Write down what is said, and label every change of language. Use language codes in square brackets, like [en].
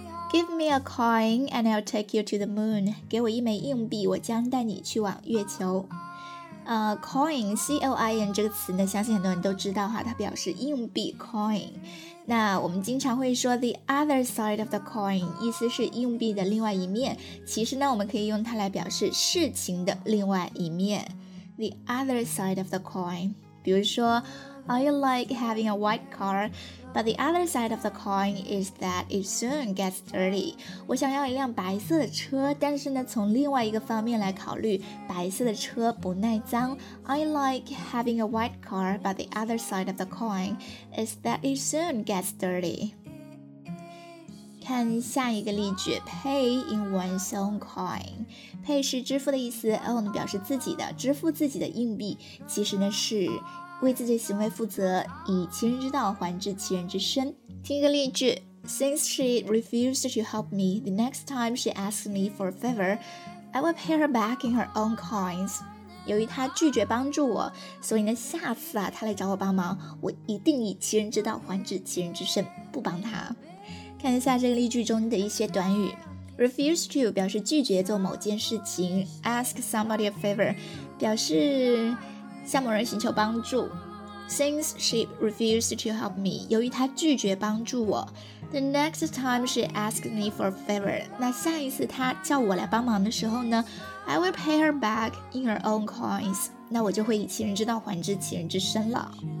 [en] Give me a coin and I'll take you to the moon， [zh] 给我一枚硬币，我将带你去往月球。 Coin， C-O-I-N 这个词呢相信很多人都知道哈，它表示硬币 coin。那我们经常会说 the other side of the coin， 意思是硬币的另外一面，其实呢我们可以用它来表示事情的另外一面， the other side of the coin。 [en] 比如说 I like having a white car but the other side of the coin is that it soon gets dirty， [zh] 我想要一辆白色的车，但是呢从另外一个方面来考虑，白色的车不耐脏。 [en] I like having a white car but the other side of the coin is that it soon gets dirty。 [zh] 看下一个例句 Pay in one's own coin， Pay 是支付的意思， Own 表示自己的，支付自己的硬币，其实呢是为自己行为负责，以其人之道还治其人之身。听一个例句， [en] Since she refused to help me, the next time she asks me for a favor, I will pay her back in her own coins。 [zh] 由于她拒绝帮助我，所以呢下次啊她来找我帮忙，我一定以其人之道还治其人之身，不帮她。看一下这个例句中的一些短语， [en] Refuse to [zh] 表示拒绝做某件事情， [en] Ask somebody a favor [zh] 表示向某人寻求帮助， [en] Since she refused to help me [zh] 由于她拒绝帮助我， [en] The next time she asked me for a favor [zh] 那下一次她叫我来帮忙的时候呢， [en] I will pay her back in her own coins， [zh] 那我就会以其人之道还治其人之身了。